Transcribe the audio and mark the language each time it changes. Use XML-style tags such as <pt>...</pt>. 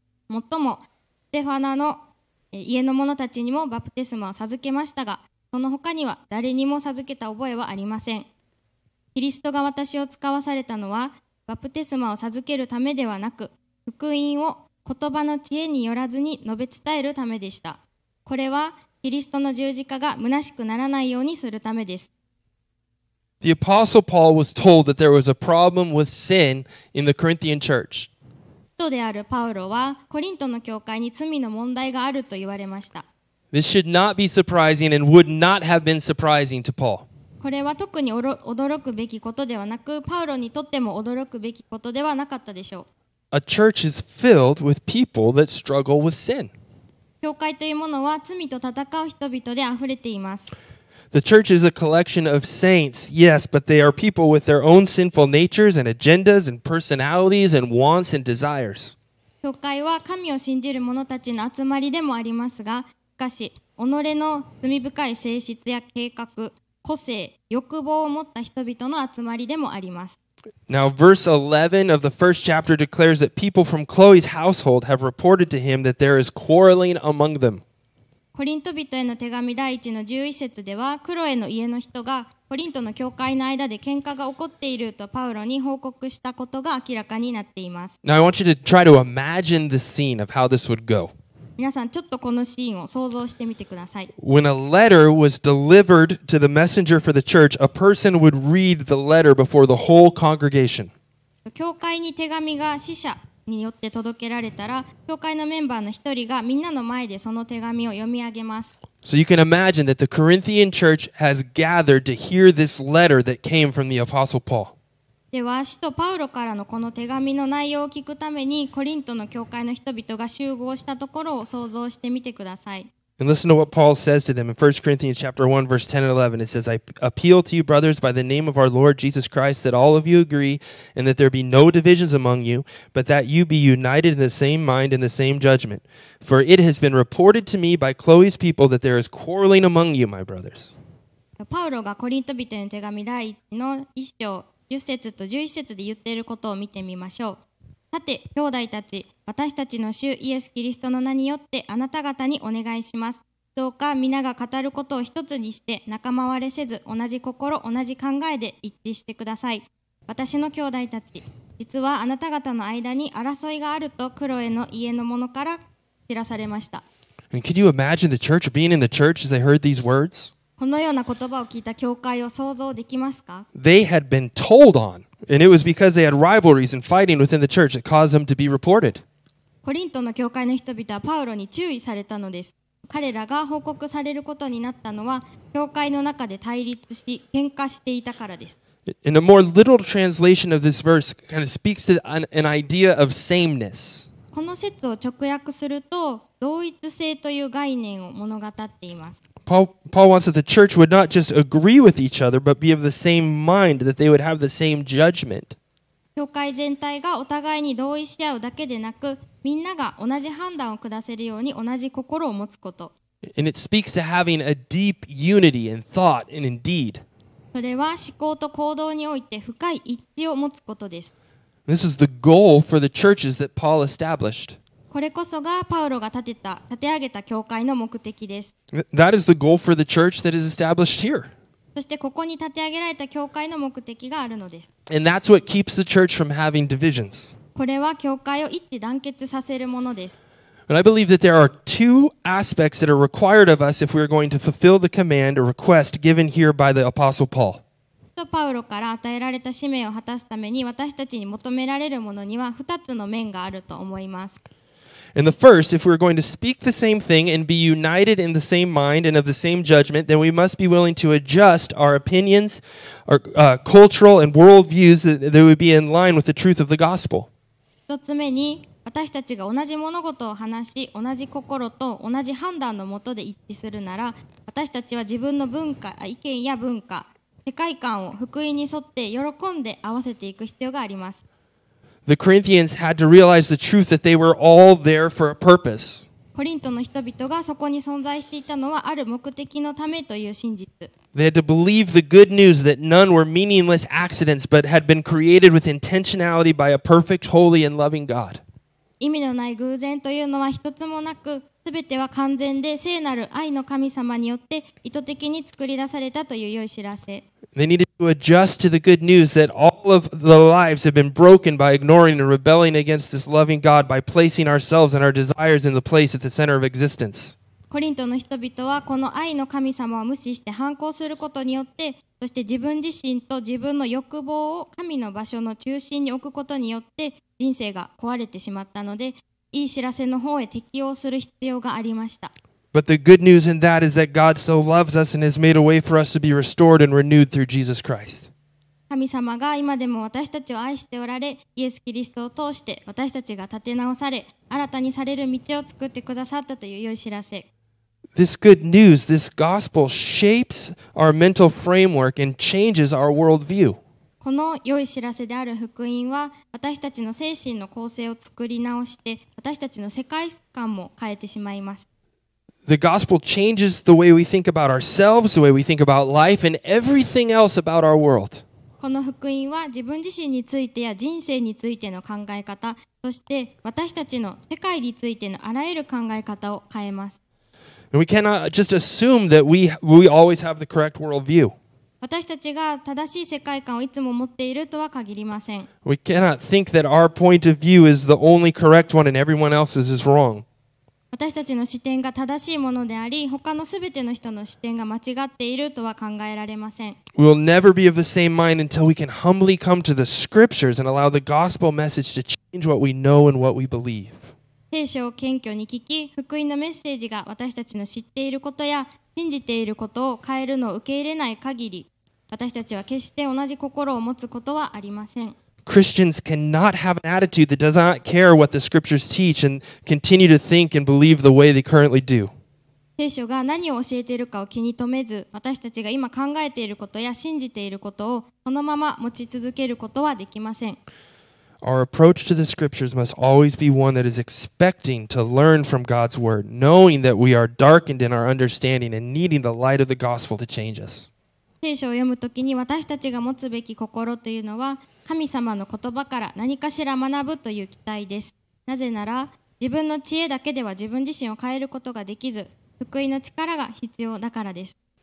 <ja>もっとも、ステファナの家の者たちにもバプテスマを授けましたが、その他には誰にも授けた覚えはありません。キリストが私を使わされたのは、バプテスマを授けるためではなく、福音を言葉の知恵によらずに述べ伝えるためでした。これは、キリストの十字架が虚しくならないようにするためです。</ja> <en>The Apostle Paul was told that there was a problem with sin in the Corinthian church.</en> <ja>人であるパウロはコリントの教会に罪の問題があると言われました。</ja> <en>This should not be surprising and would not have been surprising to Paul.</en> <ja>これは特に驚くべきことではなく、パウロにとっても驚くべきことではなかったでしょう。</ja> <en>A church is filled with people that struggle with sin.</en> <ja>教会というものは罪と戦う人々であふれています。</ja> <en>The church is a collection of saints, yes, but they are people with their own sinful natures and agendas and personalities and wants and desires.</en> <ja>教会は神を信じる者たちの集まりでもありますが、しかし、己の罪深い性質や計画、個性、欲望を持った人々の集まりでもあります。</ja> <en>Now, verse 11 of the first chapter declares that people from Chloe's household have reported to him that there is quarreling among them.</en> <ja>コリント人への手紙第一の11節では、クロエの家の人がコリントの教会の間で喧嘩が起こっているとパウロに報告したことが明らかになっています。</ja> <en>Now I want you to try to imagine the scene of how this would go.</en> <ja>皆さん、ちょっとこのシーンを想像してみてください。</ja> <en>When a letter was delivered to the messenger for the church, a person would read the letter before the whole congregation.</en> <ja>教会に手紙が使者によって届けられたら、教会のメンバーの一人がみんなの前でその手紙を読み上げます。</ja> <en>So you can imagine that the Corinthian church has gathered to hear this letter that came from the Apostle Paul.</en> <ja>では、使徒パウロからのこの手紙の内容を聞くために、コリントの教会の人々が集合したところを想像してみてください。</ja> <en>And listen to what Paul says to them in 1 Corinthians chapter 1, verse 10 and 11. It says, I appeal to you, brothers, by the name of our Lord Jesus Christ, that all of you agree and that there be no divisions among you, but that you be united in the same mind and the same judgment. For it has been reported to me by Chloe's people that there is quarreling among you, my brothers.</en> <ja>パウロがコリント人への手紙第1の1章10節と11節で言っていることを見てみましょう。さて、兄弟たち、私たちの主イエス・キリストの名によってあなた方にお願いします。どうか皆が語ることを一つにして仲間割れせず同じ心、同じ考えで一致してください。私の兄弟たち、実はあなた方の間に争いがあるとクロエの家の者から知らされました。</ja> <en>Can you imagine the church being in the church as they heard these words?</en> <ja>このような言葉を聞いた教会を想像できますか?</ja> <en>They had been told on. And it was because they had rivalries and fighting within the church that caused them to be reported.</en> <ja>コリントの教会の人々はパウロに注意されたのです。彼らが報告されることになったのは、教会の中で対立し、喧嘩していたからです。</ja> <en>And a more literal translation of this verse kind of speaks to an idea of sameness.</en> <ja>この節を直訳すると、同一性という概念を物語っています。</ja> <en>Paul wants that the church would not just agree with each other, but be of the same mind, that they would have the same judgment.</en> <ja>教会全体がお互いに同意し合うだけでなく、みんなが同じ判断を下せるように同じ心を持つこと。</ja> <en>And it speaks to having a deep unity in thought and in deed.</en> <ja>それは思考と行動において深い一致を持つことです。</ja> <en>This is the goal for the churches that Paul established.</en> <ja>これこそがパウロが立て上げた教会の目的です。</ja> <en>That is the goal for the church that is established here.</en> <ja>そしてここに立て上げられた教会の目的があるのです。</ja> <en>And that's what keeps the church from having divisions.</en> <ja>これは教会を一致団結させるものです。</ja> <en>But I believe that there are two aspects that are required of us if we are going to fulfill the command or request given here by the Apostle Paul.</en> <ja>パウロから与えられた使命を果たすために私たちに求められるものには二つの面があると思います。</ja> <en>And the first, if we're going to speak the same thing and be united in the same mind and of the same judgment, then we must be willing to adjust our opinions, our cultural and world views that would be in line with the truth of the gospel.</en> <ja>一つ目に、私たちが同じ物事を話し、同じ心と同じ判断のもとで一致するなら、私たちは自分の文化、意見や文化、世界観を福音に沿って喜んで合わせていく必要があります。</ja> <en>The Corinthians had to realize the truth that they were all there for a purpose.</en> <ja>コリントの人々がそこに存在していたのはある目的のためという真実。</ja> <en>They had to believe the good news that none were meaningless accidents but had been created with intentionality by a perfect, holy, and loving God.</en> <ja>意味のない偶然というのは一つもなく、すべては完全で聖なる愛の神様によって意図的に作り出されたという良い知らせ。</ja> <en>They needed to adjust to the good news that all of the lives have been broken by ignoring and rebelling against this loving God by placing ourselves and our desires in the place at the center of existence.</en> <ja>コリントの人々はこの愛の神様を無視して反抗することによって、そして自分自身と自分の欲望を神の場所の中心に置くことによって人生が壊れてしまったので、いい知らせの方へ適応する必要がありました。</ja> <en>But the good news in that is that God still loves us and has made a way for us to be restored and renewed through Jesus Christ.</en> <ja>神様が今でも私たちを愛しておられ、イエス・キリストを通して私たちが立て直され、新たにされる道を作ってくださったという良い知らせ。</ja> <en>This good news, this gospel shapes our mental framework and changes our worldview.</en> <ja>この良い知らせである福音は、私たちの精神の構成を作り直して、私たちの世界観も変えてしまいます。</ja> <en>The gospel changes the way we think about ourselves, the way we think about life, and everything else about our world.</en> <ja>この福音は自分自身についてや人生についての考え方、そして私たちの世界についてのあらゆる考え方を変えます。</ja> <en>We cannot just assume that we always have the correct worldview.</en> <ja>私たちが正しい世界観をいつも持っているとは限りません。</ja> <en>We cannot think that our point of view is the only correct one and everyone else's is wrong.</en> <ja>私たちの視点が正しいものであり、他のすべての人の視点が間違っているとは考えられません。</ja> <en>We will never be of the same mind until we can humbly come to the scriptures and allow the gospel message to change what we know and what we believe.</en> <ja>聖書を謙虚に聞き、福音のメッセージが私たちの知っていることや信じていることを変えるのを受け入れない限り、私たちは決して同じ心を持つことはありません。</ja> <en>Christians cannot have an attitude that does not care what the scriptures teach and continue to think and believe the way they currently do.</en> <ja>聖書が何を教えているかを気に留めず、私たちが今考えていることや信じていることをそのまま持ち続けることはできません。</ja> <en>Our approach to the scriptures must always be one that is expecting to learn from God's word, knowing that we are darkened in our understanding and needing the light of the gospel to change us.</en> <ja>聖書を読むときに私たちが持つべき心というのは神様の言葉から何かしら学ぶという期待です。なぜなら自分の知恵だけでは自分自身を変えることができず、福音の力が必要だからです。</ja>